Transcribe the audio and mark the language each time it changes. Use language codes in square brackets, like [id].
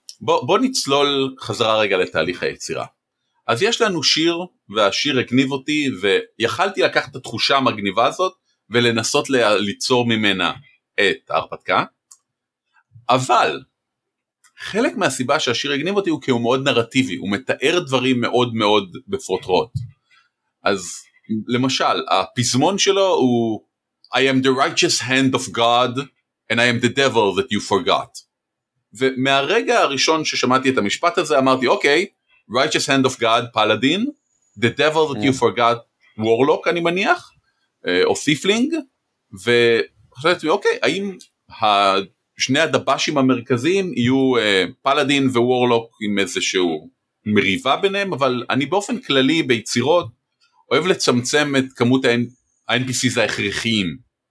[he] בוא נצלול חזרה רגע לתהליך היצירה. אז יש לנו שיר, והשיר הגניב אותי, ויכלתי לקחת את התחושה המגניבה הזאת, ולנסות ליצור ממנה את ההרפתקה, אבל חלק מהסיבה שהשיר הגניב אותי הוא כי הוא מאוד נרטיבי, הוא מתאר דברים מאוד מאוד בפרוטרוט. אז למשל, הפזמון שלו הוא [en] I am the righteous hand of God and I am the devil that you forgot. [he] ומהרגע הראשון ששמעתי את המשפט הזה אמרתי, אוקיי, [en] righteous hand of God, [he] פלדין, [en] the devil that you forgot, [he] warlock אני מניח, או פיפלינג, וחשבתי, אוקיי, האם שני הדבשים המרכזיים יהיו פלדין וורלוק עם איזשהו מריבה ביניהם, אבל אני באופן כללי ביצירות אוהב לצמצם את כמות ה-NPCs ההכרחיים.